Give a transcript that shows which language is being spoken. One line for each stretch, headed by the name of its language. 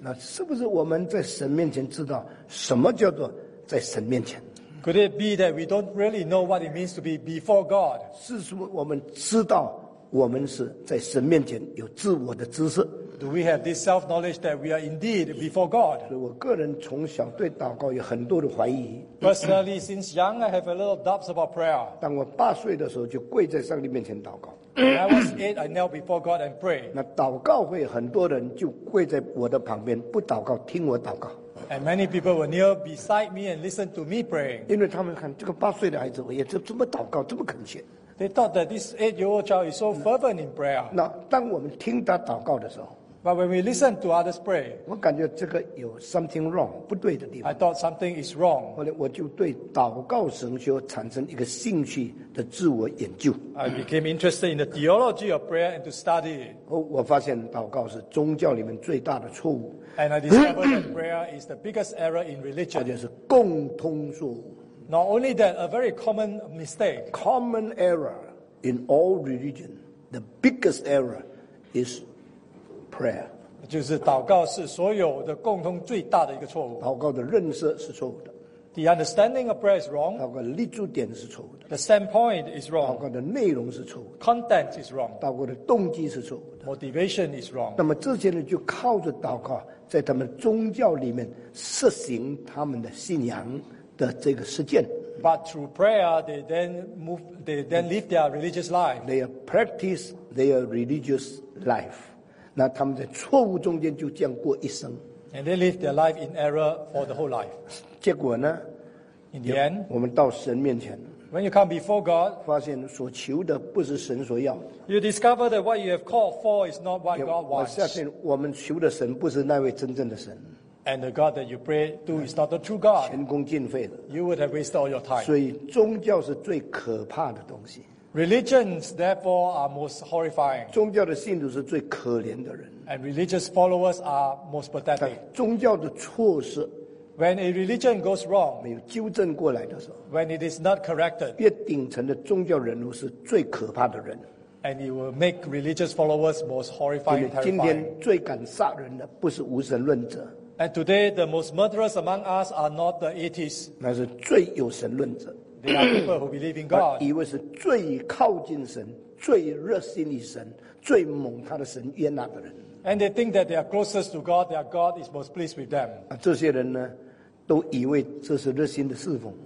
Chinese: 那是不是我们在神面前知道什么叫做在神面前？
English: Could it be that we don't really know what it means to be before God?
Chinese: 是什么我们知道我们是在神面前有自我的知识。
English: Do we have this self-knowledge that we are indeed before God?
Chinese: 所以我个人从小对祷告有很多的怀疑。
English: Personally, since young, I have a little doubts about prayer.
Chinese: 当我8岁的时候，就跪在上帝面前祷告。
English: When I was 8, I knelt before God and prayed.
Chinese: 那祷告会很多人就跪在我的旁边，不祷告，听我祷告。
English: And many people were near beside me and listened to me praying.
Chinese: 因为他们看这个8岁的孩子，哎呀，这么祷告，这么恳切。
English: They thought that this 8-year-old child is so fervent in prayer.
Chinese: 那当我们听他祷告的时候
English: ，But when we listen to others pray,
Chinese: 我感觉这个有
English: something wrong,
Chinese: 不对的地方。
English: I thought something is wrong.
Chinese: 后来我就对祷告神学产生一个兴趣的自我研究。
English: I became interested in the theology of prayer and to study it.
Chinese: 后我发现祷告是宗教里面最大的错误。
English: And I discovered that prayer is the biggest error in religion.
Chinese: 而且是共通错误。
English: Not only that, a very common mistake. Common error in all religion, the biggest error is prayer.
Chinese: 就是祷告是所有的共同最大的一个错误。祷告的认识是错误的。
English: The understanding of prayer is wrong.
Chinese: 祷告的立足点是错误的。
English: The standpoint is wrong.
Chinese: 祷告的内容是错误的。
English: Content is wrong.
Chinese: 祷告的动机是错误的。
English: Motivation is wrong.
Chinese: 那么这些人就靠着祷告，在他们宗教里面实行他们的信仰的这个实践。
English: But through prayer, they then live their religious life. They practice their religious life.
Chinese: 那他们在错误中间就这样过一生。
English: And they live their life in error for the whole life.
Chinese: 结果呢
English: ？In the end,
Chinese: 我们到神面前。
English: When you come before God,
Chinese: 发现所求的不是神所要。
English: You discover that what you have called for is not what God wants.
Chinese: 我相信我们求的神不是那位真正的神。
English: And the God that you pray to is not the true God.
Chinese: 前功尽废的。
English: You would have wasted all your time.
Chinese: 所以宗教是最可怕的东西。
English: Religions, therefore, are most horrifying.
Chinese: 宗教的信徒是最可怜的人。
English: And religious followers are most pathetic.
Chinese: 但宗教的错失。
English: When a religion goes wrong,
Chinese: 没有纠正过来的时候。
English: When it is not corrected,
Chinese: 越顶层的宗教人物是最可怕的人。
English: And it will make religious followers most horrifying and terrifying.
Chinese: 今天最敢杀人的不是无神论者。
English: And today, the most murderous among us are not the atheists.
Chinese: 那是最有神论者。
English: They are people who believe in God.
Chinese: 以为是最靠近神、最热心于神、最蒙他的神悦纳的人。
English: And they think that they are closest to God, their God is most pleased with them.
Chinese: 这些人呢，都以为这是热心的侍奉。